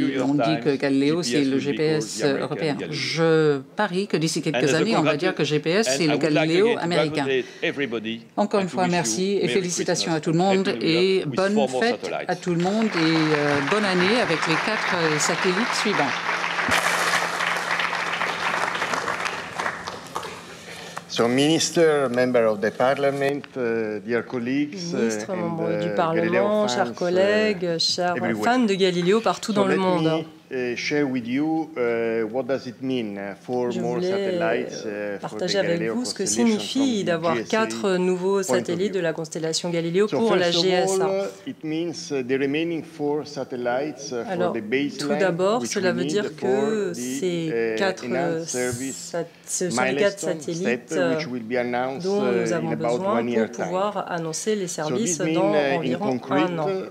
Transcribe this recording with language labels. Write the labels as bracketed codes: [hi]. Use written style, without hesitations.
[fr] On dit que Galileo, c'est le GPS européen. Je parie que d'ici quelques années, on va dire que GPS, c'est le Galileo américain. Encore une fois, merci et félicitations à tout le monde et bonne fête à tout le monde et bonne année avec les 4 satellites suivants. [en] So, Minister, member of the Parliament, dear colleagues, [fr] ministre, membre du Parlement, chers collègues, chers fans de Galileo partout dans le monde. [en] Share with you what does it mean for more satellites for the Galileo constellation. [fr] 4 nouveaux satellites de la constellation Galileo pour la GSA. [en] It means the remaining 4 satellites for the baseline. [fr] Tout d'abord, cela veut dire que ces 4 satellites dont nous avons besoin pour pouvoir annoncer les services dans environ 1 an.